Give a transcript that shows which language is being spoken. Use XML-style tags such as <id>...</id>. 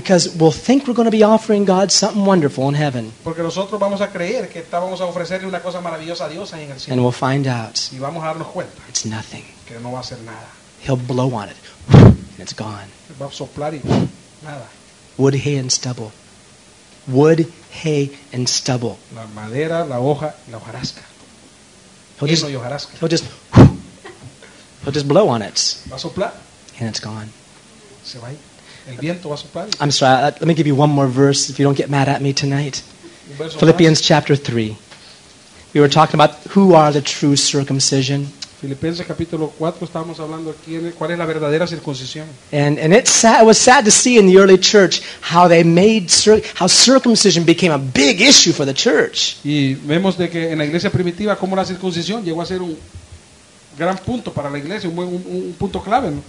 <en>Because we'll think we're going to be offering God something wonderful in heaven.</en> <es>Porque nosotros vamos a creer que estábamos a ofrecerle una cosa maravillosa a Dios ahí en el cielo.</es> <en>And we'll find out.</en> <es>Y vamos a darnos cuenta.</es> <en>It's nothing.</en> <es>Que no va a ser nada.</es> <en>He'll blow on it. And it's gone.</en> <es>Va a soplar y nada.</es> <en>Wood, hay and stubble. Wood, hay, and stubble.</en> <es>La madera, la hoja, la hojarasca.</es> <en>He'll just blow on it.</en> <es>Va a soplar.</es> <en>And it's gone.</en> <es>Se va. El viento va a soplar.</es> <en>I'm sorry, let me give you one more verse if you don't get mad at me tonight. Philippians chapter 3. We were talking about who are the true circumcision.</en> <es>Filipenses capítulo 4 estábamos hablando aquí en cuál es la verdadera circuncisión.</es> <en>And it was sad to see in the early church how they made how circumcision became a big issue for the church.</en> <es>Y vemos de que en la iglesia primitiva cómo la circuncisión llegó a ser un gran punto para la iglesia, un punto clave, ¿no?</es>